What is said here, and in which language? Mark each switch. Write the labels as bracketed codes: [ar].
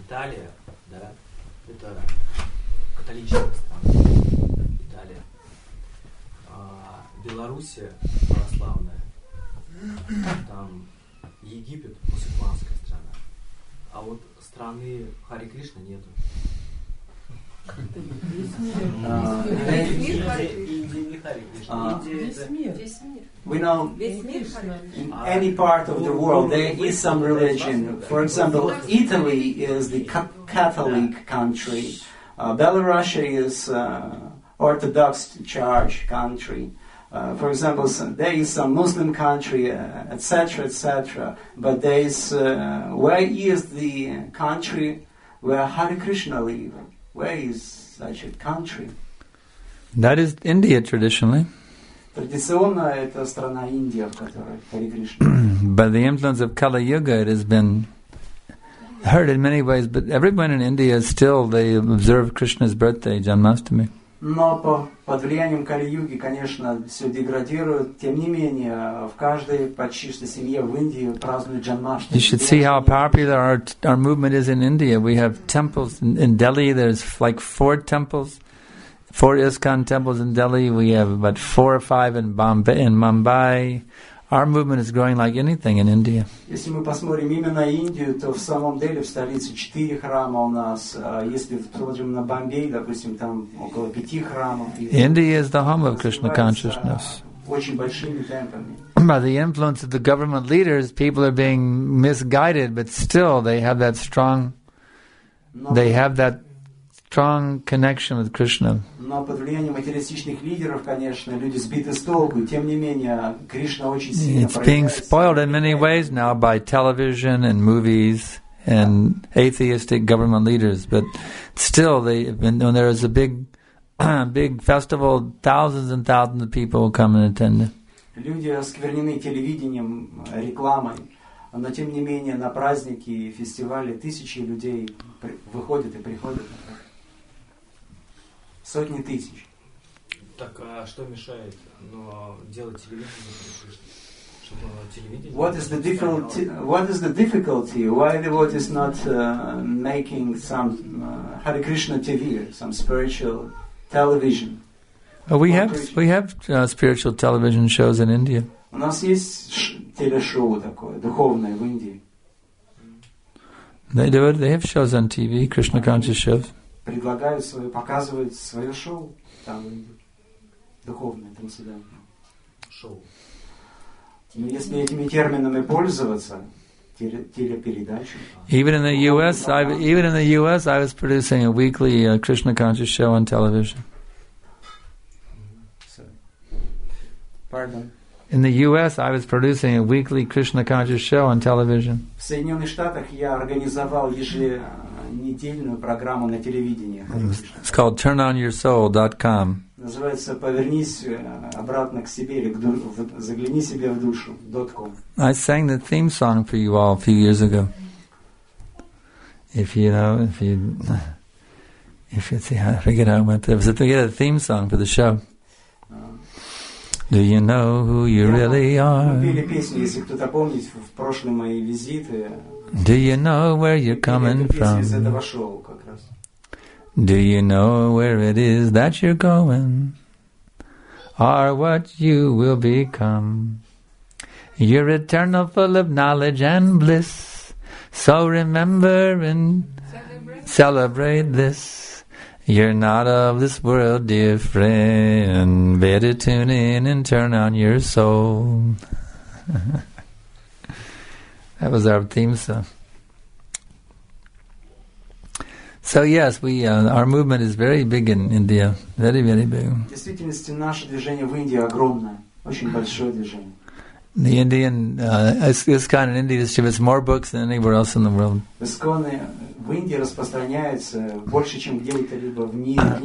[ru] Италия, да, это католическая страна, Италия. А Белоруссия православная, там Египет мусульманская страна. А вот страны Хари Кришна нету. [en] Any part of the world there is some religion. For example, Italy is the Catholic country. Belarus is Orthodox Church country. For example, there is some Muslim country, etc., etc. But there is where is the country where Hare Krishna live? Where is such a country? That is India traditionally. [ru] Традиционно это страна Индия, в которой Хари Кришна. [en] By the influence of Kali Yuga, it has been heard in many ways. But everyone in India still they observe Krishna's birthday, Janmashtami. [ru] Но под влиянием Кали Юги, конечно, все деградирует. Тем не менее, в каждой почти что семье в Индии празднуют Джанмаштами. [en] You should see how popular our movement is in India. We have temples in Delhi. There's like four temples, four ISKCON temples in Delhi. We have about four or five in Bombay, in Mumbai. Our movement is growing like anything in India. [ru] Если мы посмотрим именно Индию, то в самом деле в столице четыре храма у нас. Если посмотрим на Бомбей, допустим, там около пяти храмов. [en] India is the home of Krishna consciousness. [ru] Очень большими темпами. [en] By the influence of the government leaders, people are being misguided, but still they have that strong. They have that strong connection with Krishna. [ru] Но под влиянием материалистичных лидеров, конечно, люди сбиты с толку. Тем не менее, Кришна очень сильно. [en] It's being spoiled in many ways now by television and movies and atheistic government leaders. But still, they when there is a big festival, thousands and thousands of people will come and attend. [ru] Люди осквернены телевидением, рекламой. Но тем не менее, на праздники и фестивали тысячи людей выходят и приходят. Сотни тысяч. Так, а что мешает, ну, делать телевидение, чтобы телевидение? [en] What is the difficulty? Why the world is not making some Hare Krishna TV, some spiritual television? We have spiritual television shows in India. [ru] У нас есть телешоу такое духовное в Индии. [en] They have shows on TV, Krishna conscious shows. [ru] Предлагают свое, показывают свое шоу там в Индии, духовное, трансцендентное шоу. Но если этими терминами пользоваться, телепередачи. [en] Even in the US, I was producing a weekly Krishna conscious show on television. Pardon. In the US, I was producing a weekly Krishna conscious show on television. [ru] В Соединенных Штатах я организовал еженедельную программу на телевидении. [en] It's called turnonyoursoul.com. [ru] Называется «Повернись обратно к себе» или «Загляни себе в душу» .com. [en] I sang the theme song for you all a few years ago. We had a theme song for the show. Do you know who you really are? [ru] Мы пели песню, если кто-то помнит, в прошлые мои визиты. [en] Do you know where you're coming from? [ru] Из этого шоу как раз. [en] Do you know where it is that you're going? Or what you will become? You're eternal, full of knowledge and bliss. So remember and celebrate this. You're not of this world, dear friend. Better tune in and turn on your soul. That was our theme song. So yes, our movement is very big in India. Very, very big. [ru] Действительности наше движение в Индии огромное, очень большое движение. [en] The Indian ISKCON in India distributes more books than anywhere else in the world. [ru] ISKCON в Индии распространяется больше, чем где-либо в мире.